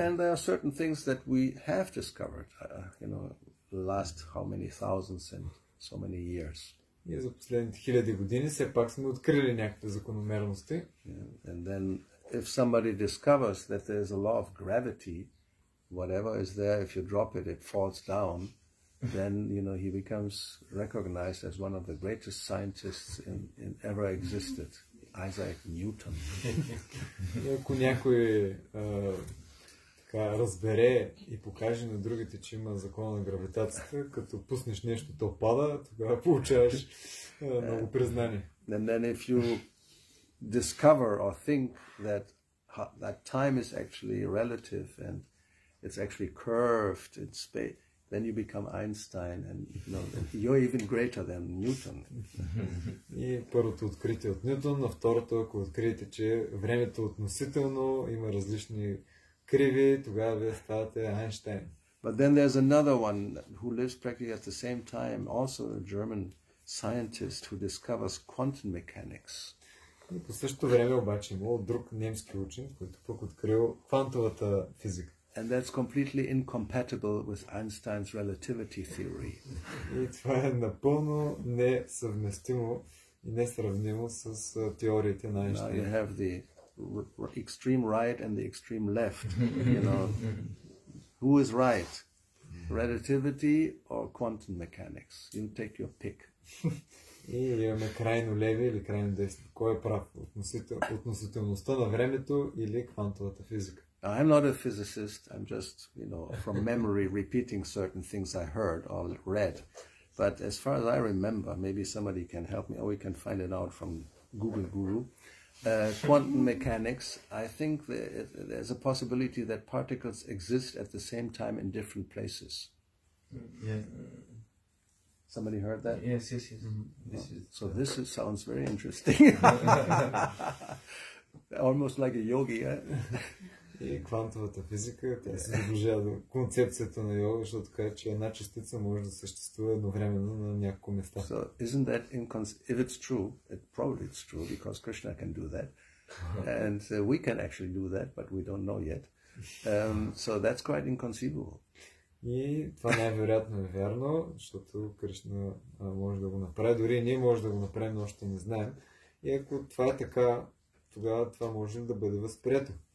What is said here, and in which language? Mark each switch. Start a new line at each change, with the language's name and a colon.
English: And there are certain things that we have discovered, you know, last how many thousands and so many years.
Bulgarian: И за последните хиляди години все пак сме открили някакви закономерности.
English: And then if somebody discovers that there is a law of gravity, whatever is there, if you drop it, it falls down, then, you know, he becomes recognized as one of the greatest scientists in ever existed. Isaac Newton.
Bulgarian: Ако някой така разбере и покаже на другите, че има закон на гравитацията, като пуснеш нещо, то пада, тогава получаваш много признание.
English: And then if you discover or think that that time is actually relative and it's actually curved in space, then you become Einstein and you're even greater than Newton.
Bulgarian: И първото откритие от Ньютон, а второто, ако откриете, че времето е относително, има различни криви, тогава вие ставате Einstein.
English: But then there's another one who lives practically at the same time, also a German scientist who discovers quantum mechanics.
Bulgarian: И по същото време обаче има друг немски учен, който пък открил квантовата физика.
English: And that's completely incompatible with Einstein's relativity theory.
Bulgarian: И това е напълно несъвместимо и несравнимо с теориите на Einstein.
English: Now you have the extreme right and the extreme left, you know. Who is right? Relativity or quantum mechanics? You take your pick.
Bulgarian: И имаме крайно леви или крайно десни. Кой е прав? Относителността на времето или квантовата физика?
English: Now, I'm not a physicist, I'm just, you know, from memory repeating certain things I heard or read. But as far as I remember, maybe somebody can help me, or we can find it out from Google Guru. Quantum mechanics, I think there's a possibility that particles exist at the same time in different places. Yeah. Somebody heard that? Yes. This sounds very interesting. Almost like a yogi, eh?
Bulgarian: И квантовата физика, тя се доближава до концепцията на йога, защото каже, че една частица може да съществува едновременно на няколко места.
English: So, isn't that if it's true, probably it's true, because Krishna can do that. And we can actually do that, but we don't know yet. So that's quite inconceivable.
Bulgarian: И това най-вероятно е вярно, защото Кришна може да го направи, дори ние може да го направим, но още не знаем. И ако това е така, тогава това може да бъде възприето.